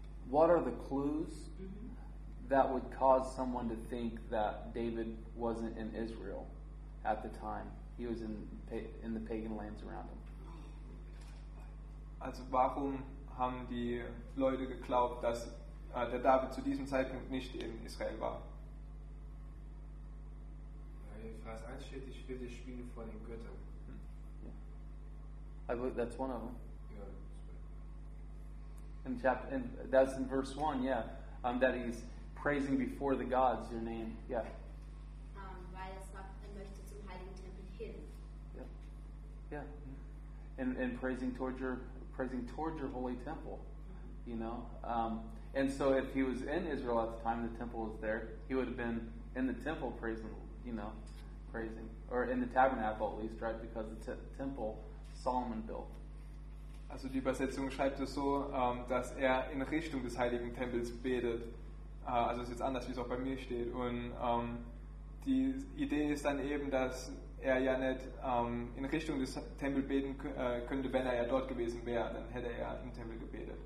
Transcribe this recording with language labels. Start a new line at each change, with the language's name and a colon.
English: What are the clues that would cause someone to think that David wasn't in Israel at the time? He was in the pagan lands around him.
German: Also, warum haben die Leute geglaubt, dass der David zu diesem Zeitpunkt nicht in Israel war. In Vers 1 steht, ich will dich spielen vor den Göttern.
English: I believe that's one of them. Yeah. In chapter, in, that's in verse 1, yeah. That he's praising before the gods, your name. Yeah.
German: Weil er sagt, er möchte zum Heiligen Tempel hin. Yeah. Yeah.
English: And praising towards your holy temple, you know. And so if he was in Israel at the time the temple was there, he would have been in the temple praising, you know, praising. Or in the tabernacle at least, right, because the temple Solomon built.
German: Also die Übersetzung schreibt es so, dass er in Richtung des heiligen Tempels betet. Also es ist jetzt anders, wie es auch bei mir steht. Und die Idee ist dann eben, dass er ja nicht in Richtung des Tempels beten könnte, wenn er ja dort gewesen wäre, dann hätte er im Tempel gebetet.